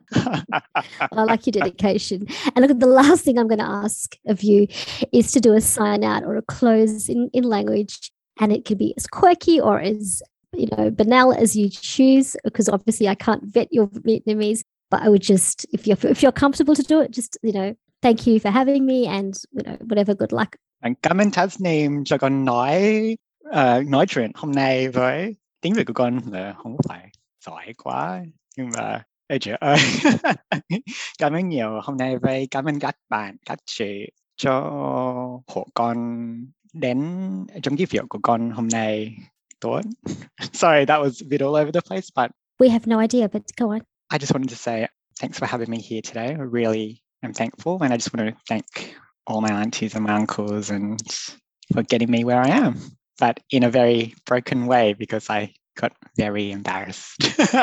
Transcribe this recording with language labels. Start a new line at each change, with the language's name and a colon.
English: Well, I like your dedication. And look, the last thing I'm going to ask of you is to do a sign out or a close in language, and it could be as quirky or as, you know, banal as you choose, because obviously I can't vet your Vietnamese, but I would just, if you're comfortable to do it, just, you know, thank you for having me and, you know, whatever, good luck.
Vietnamese: And cảm ơn Taz Nim, cho con nói chuyện hôm nay với. Tiếng Việt của con là không phải giỏi quá, nhưng mà ê trời ơi, cảm ơn nhiều hôm nay với cảm ơn các bạn, các chị cho hộ con đến trong cái việc của con hôm nay tốt.
English: Sorry, that was a bit all over the place, but... We have no idea, but go on. I just wanted to say thanks for having me here today. I really am thankful, and I just want to thank all my aunties and my uncles and for getting me where I am. But in a very broken way, because I got very embarrassed.